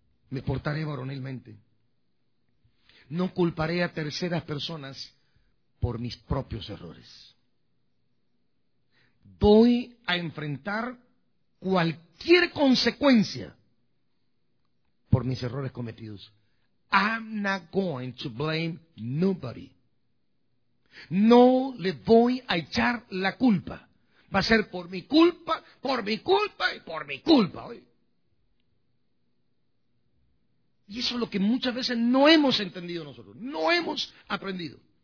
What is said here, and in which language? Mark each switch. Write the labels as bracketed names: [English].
[Spanish] Me portaré varonilmente. No culparé a terceras personas por mis propios errores. Voy a enfrentar cualquier consecuencia por mis errores cometidos. [English] I'm not going to blame nobody. [Spanish] No le voy a echar la culpa. Va a ser por mi culpa y por mi culpa. Hoy. Y eso es lo que muchas veces no hemos entendido nosotros. No hemos aprendido.